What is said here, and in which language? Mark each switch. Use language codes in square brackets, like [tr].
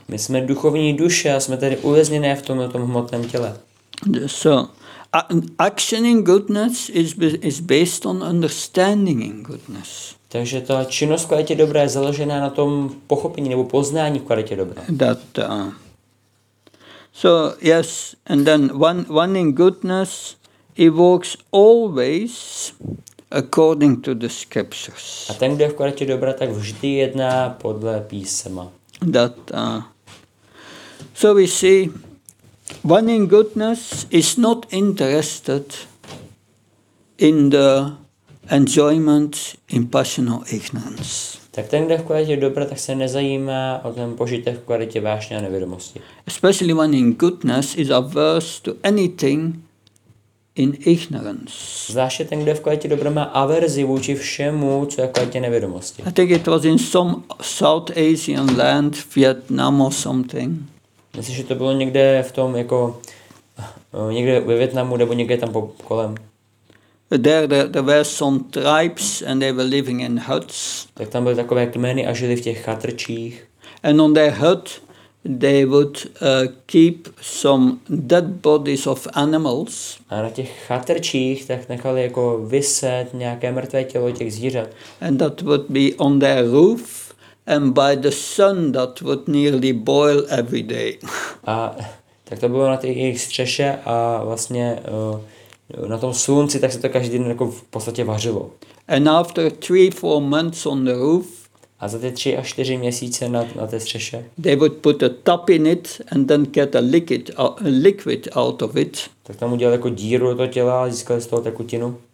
[cs] My jsme duchovní duše a jsme tady uvězněné v tom hmotném těle. [en] So, action in goodness is based on understanding in goodness. [cs] Takže ta činnost kvalitě dobré je založená na tom pochopení nebo poznání kvalitě dobré. [en] That, so yes, and then one in goodness evokes always according to the scriptures. [cs] A ten, kdo je v kvalitě dobré, tak vždy jedná podle písma. [en] That, so we see one in goodness is not interested in the enjoyment in passional ignorance. [cs] Tak ten, kdo v kvalitě dobra, tak se nezajímá o ten požitek v kvalitě vášně a nevědomosti. [en] Especially one in goodness is averse to anything in ignorance. [cs] Zvláště ten, kdo v kvalitě dobra, má averzi vůči všemu, co je v kvalitě nevědomosti. [en] I think it was in some South Asian land, Vietnam or something. [cs] Myslím, že to bylo někde v tom jako někde ve Vietnamu nebo někde tam po kolem. [en] There were some tribes and they were living in huts. [cs] Tak tam byly takové kmeny a žili v těch chatrčích. [en] And on their hut they would keep some dead bodies of animals. [cs] A na těch chatrčích tak nechali jako viset nějaké mrtvé tělo těch zvířat. [en] And that would be on their roof. And by the sun that would nearly boil every day. [cs] A tak to bylo na těch jejich střeše a vlastně na tom slunci, tak se to každý den jako v podstatě vařilo. [en] And after 3-4 months on the roof. [cs] A za ty 3-4 měsíce na té střeše. [en] They would put a tap in it and then get a liquid out of it. [cs] Tak tam udělali jako díru do toho těla a získali z toho tekutinu.